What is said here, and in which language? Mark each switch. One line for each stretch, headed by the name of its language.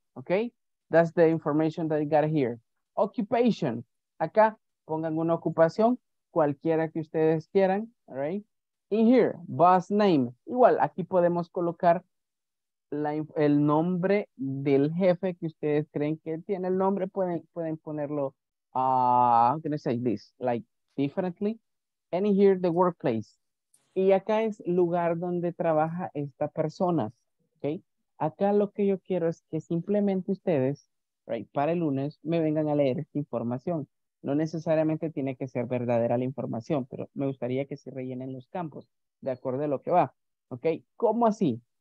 English: Okay, that's the information that you got here. Occupation.
Spanish: Acá pongan una ocupación, cualquiera que ustedes quieran.
English: All right. In here, boss name.
Spanish: Igual, aquí podemos colocar el nombre del jefe que ustedes creen que tiene el nombre. Pueden ponerlo,
English: I'm going to say this, like differently. And in here, the workplace.
Spanish: Y acá es lugar donde trabaja esta persona. Okay. Acá lo que yo quiero es que simplemente ustedes, right, para el lunes, me vengan a leer esta información. No necesariamente tiene que ser verdadera la información, pero me gustaría que se rellenen los campos de acuerdo a lo que va. ¿Okay? ¿Cómo así?